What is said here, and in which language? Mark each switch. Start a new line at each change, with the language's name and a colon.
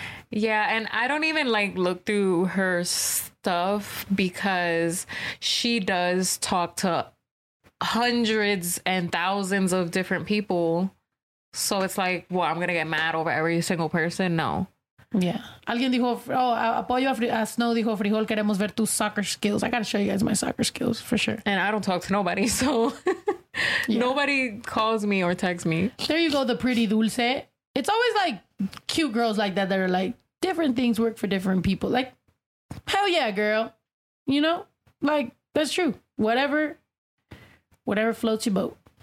English: Yeah, and I don't even, like, look through her stuff because she does talk to hundreds and thousands of different people. So it's like, well, I'm going to get mad over every single person? No. Yeah.
Spanish: Alguien dijo, Apoyo a Snow dijo, Frijol, queremos ver tus
English: soccer skills. I got to show you guys my soccer skills for sure. And I don't talk to nobody, so nobody calls me or texts me. There you go, the pretty dulce. It's always, like, cute girls like that are like, different things work for different people. Like, hell yeah, girl. You know? Like, that's true. Whatever floats your boat.